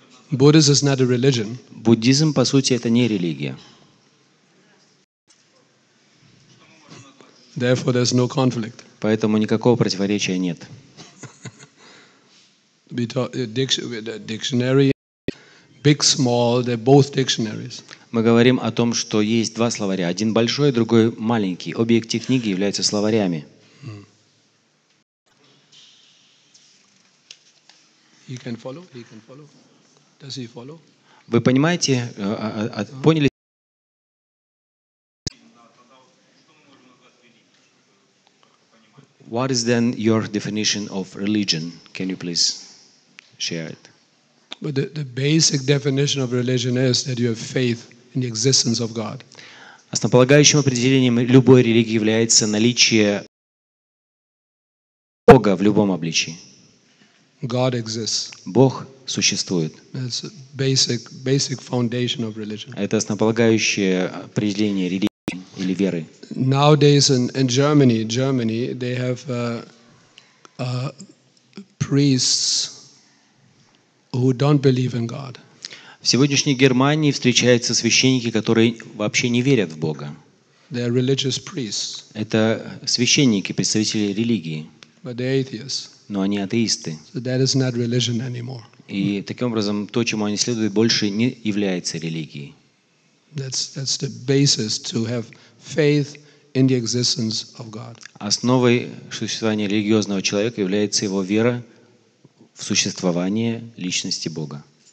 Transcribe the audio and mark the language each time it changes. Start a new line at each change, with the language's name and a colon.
English: Buddhism is not a religion.
Russian: Буддизм, по сути, это не религия.
English: Therefore, there's no conflict.
Russian: Поэтому никакого противоречия нет.
English: We talk the dictionary, big, small, they're both dictionaries.
Russian: Мы говорим о том, что есть два словаря, один большой, другой маленький. Обе эти книги являются словарями.
English: He can follow. He can follow. Does he follow?
Russian: Вы понимаете, поняли?
English: What is then your definition of religion? Can you please share it? But the basic definition of religion is that you have faith in the existence of God.
Russian: Основополагающим определением любой религии является наличие Бога в любом обличии.
English: God exists.
Russian: Бог существует.
English: It's a basic foundation of religion.
Russian: Это основополагающее определение религии или веры.
English: Nowadays in Germany they have priests who don't believe in God.
Russian: В сегодняшней Германии встречаются священники, которые вообще не верят в Бога.
English: They are religious priests.
Russian: Это священники, представители религии.
English: But they're atheists.
Russian: Но они атеисты.
English: So that is not religion anymore.
Russian: И таким образом, то, чему они следуют, больше не является религией.
English: That's the basis to have faith in the existence of God.
Russian: Основой существования религиозного человека является его вера в существование личности Бога.